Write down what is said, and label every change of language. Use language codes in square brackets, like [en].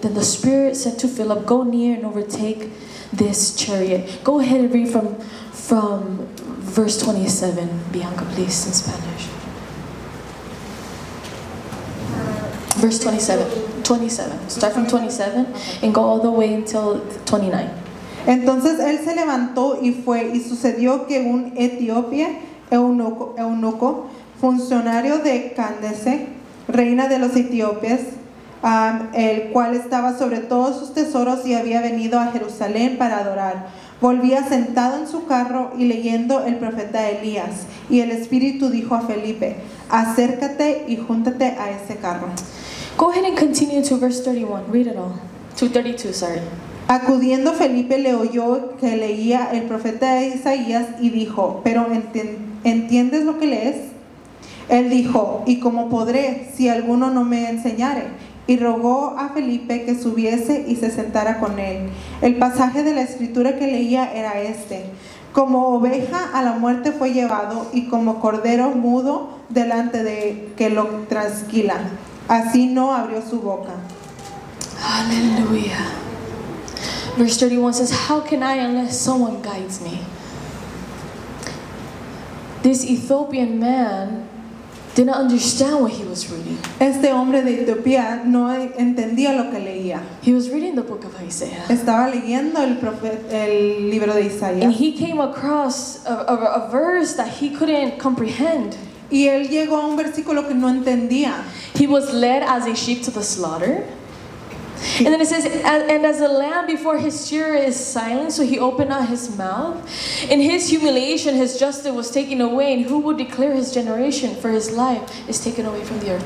[en] Then the Spirit said to Philip, go near and overtake this chariot. Go ahead and read from verse 27, Bianca, please, in Spanish. Verse 27. Start from 27 and go all the way until 29. [es] Entonces él se levantó y fue, y sucedió que un etíope eunuco, funcionario de Candace, reina de los etíopes, el cual estaba sobre todos sus tesoros y había venido a Jerusalén para adorar, volvía sentado en su carro y leyendo el profeta Elías. Y el Espíritu dijo a Felipe, acércate y júntate a ese carro. Go ahead and continue to verse 31. Read it all. 232, sorry. Acudiendo Felipe le oyó que leía el profeta Isaías y dijo, ¿pero entiendes lo que lees? Él dijo, ¿y cómo podré si alguno no me enseñare? y rogó a Felipe que subiese y se sentara con él. El pasaje de la escritura que leía era este: como oveja a la muerte fue llevado, y como cordero mudo delante de que lo trasquila, así no abrió su boca. Aleluya. [en] Verse 31 says, how can I unless someone guides me? This Ethiopian man did not understand what he was reading. [es] Este hombre de Etiopía no entendía lo que leía. [en] He was reading the book of Isaiah. [es] Estaba leyendo el libro de Isaías. [en] And he came across a verse that he couldn't comprehend. [es] Y él llegó a un versículo que no entendía. [en] He was led as a sheep to the slaughter. And then it says, and as a lamb before his shearer is silent, so he opened not his mouth. In his humiliation, his justice was taken away, and who would declare his generation? For his life is taken away from the earth.